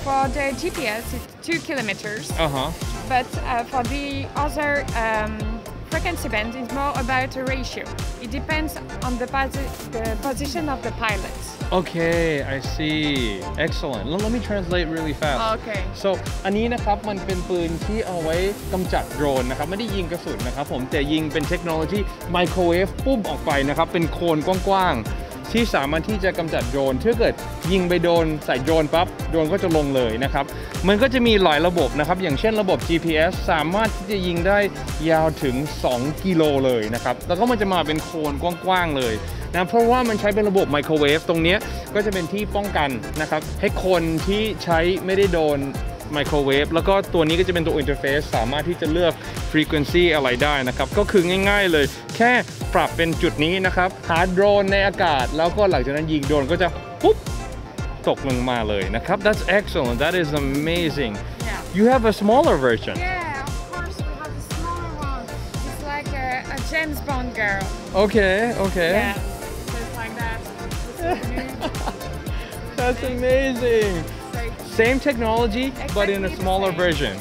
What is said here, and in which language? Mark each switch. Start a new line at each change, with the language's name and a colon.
English: For the GPS, it's 2 kilometers. Uh-huh. But for the other, frequency band is more about a ratio. It depends on the position of the pilot. Okay, I see. Excellent. Let me translate really fast. Okay.
Thai: So, อันนี้นะครับมันเป็นปืนที่เอาไว้กำจัดโดรนนะครับไม่ได้ยิงกระสุนนะครับผมแต่ยิงเป็นเทคโนโลยีไมโครเวฟปุ๊บออกไปนะครับเป็นโคนกว้างๆที่สามารถที่จะกำจัดโดรนถ้าเกิดยิงไปโดนใส่โดรนปั๊บโดรนก็จะลงเลยนะครับมันก็จะมีหลายระบบนะครับอย่างเช่นระบบ GPS สามารถที่จะยิงได้ ยาวถึง2กิโลเลยนะครับแล้วก็มันจะมาเป็นโคนกว้างๆเลยนะเพราะว่ามันใช้เป็นระบบไมโครเวฟตรงนี้ก็จะเป็นที่ป้องกันนะครับให้คนที่ใช้ไม่ได้โดน ไมโครเวฟแล้วก็ตัวนี้ก็จะเป็นตัวอินเทอร์เฟซสามารถที่จะเลือกฟรีเควนซีอะไรได้นะครับก็คือง่ายๆเลยแค่ปรับเป็นจุดนี้นะครับหาโดรนในอากาศแล้วก็หลังจากนั้นยิงโดรนก็จะปุ๊บตกลงมาเลยนะครับ
English: That's excellent. That is amazing. Yeah. You have a smaller version. Yeah, of course we have a smaller one. It's like a James Bond girl. Okay, okay. Yeah, just like that. That's amazing. Same technology, exactly, but in a smaller version.